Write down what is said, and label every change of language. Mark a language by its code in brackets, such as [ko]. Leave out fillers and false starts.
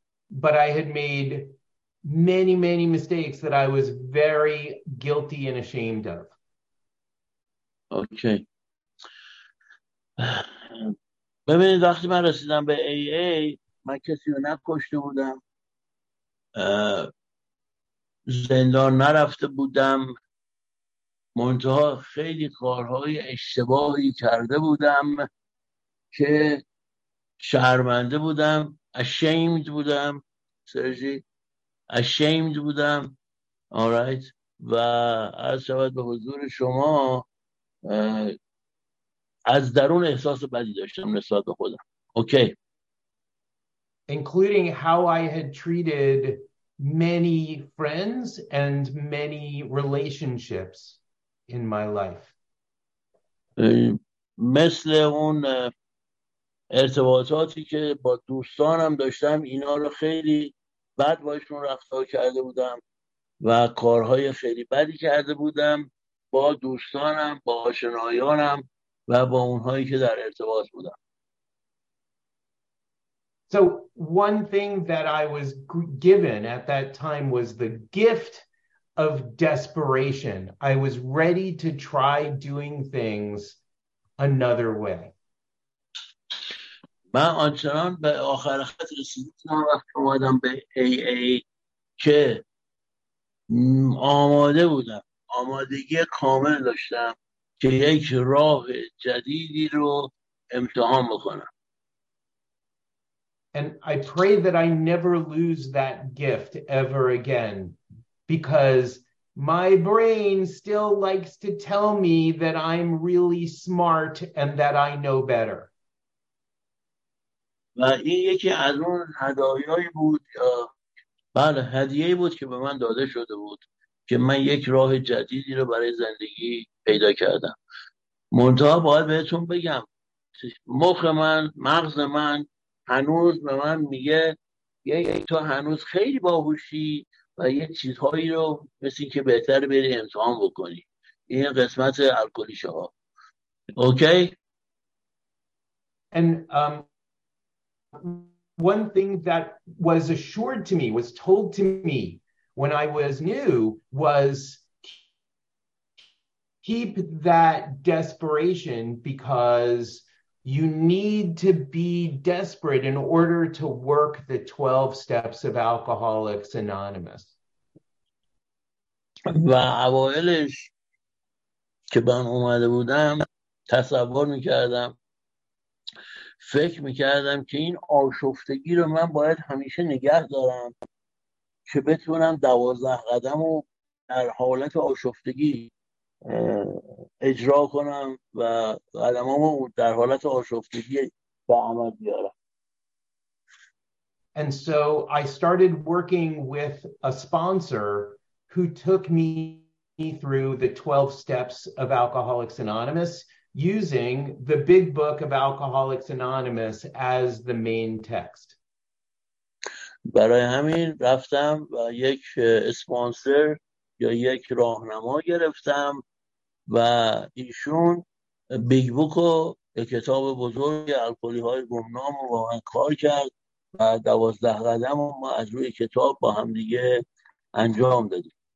[en] But I had made many, many mistakes that I was very guilty and ashamed of. Okay. [fa] ببینید وقتی من رسیدم به AA من کسی رو نکشته بودم. زندان نرفته بودم منتها خیلی کارهای اشتباهی کرده بودم که شرمنده بودم ashamed بودم سرژی ashamed بودم alright و عرض شود به حضور شما از درون احساس بدی داشتم نسبت به خودم okay [en] including how I had treated many friends and many relationships in my life. [fa] مثل اون ارتباطاتی که با دوستانم داشتم اینا رو خیلی بد باشون رفتار کرده بودم و کارهای خیلی بدی کرده بودم با دوستانم با آشنایانم و با اونهایی که در ارتباط بودم. [en] So one thing that I was given at that time was the gift of desperation. I was ready to try doing things another way. [fa] من آنچنان به آخر خط رسیدم وقت اومدم به AA که آماده بودم. آمادگی کامل داشتم که یک راه جدیدی رو امتحان بکنم. And I pray that I never lose that gift ever again because my brain still likes to tell me that I'm really smart and that I know better. و این یکی از اون هدایایی بود بله هدیه بود که به من داده شده بود که من یک راه جدیدی رو برای زندگی پیدا کردم. منتها باید بهتون بگم مخ من مغز من هنوز به من میگه یه تو هنوز خیلی باهوشی و یه چیزهایی رو مثل این که بهتر بری امتحان بکنی. این قسمت الکلی شما. اوکی؟ [en] And one thing that was assured to me, was told to me when I was new, was keep that desperation because you need to be desperate in order to work the 12 steps of Alcoholics Anonymous. [fa] و اوائلش که من اومده بودم تصور میکردم، فکر میکردم که این آشفتگی رو من باید همیشه نگه دارم که بتونم 12 قدم رو در حالت آشفتگی اجرا کنم و قدمام رو در حالت آشفتگی به عمل بیارم. [en] And so I started working with a sponsor who took me through the 12 steps of Alcoholics Anonymous using the big book of Alcoholics Anonymous as the main text. [fa] برای همین رفتم و یک اسپانسر یا یک راهنما گرفتم و ایشون بیگ بوک و کتاب بزرگ الکلی های گمنام رو با من کار کرد و 12 قدم رو ما از روی کتاب با هم دیگه انجام دادیم.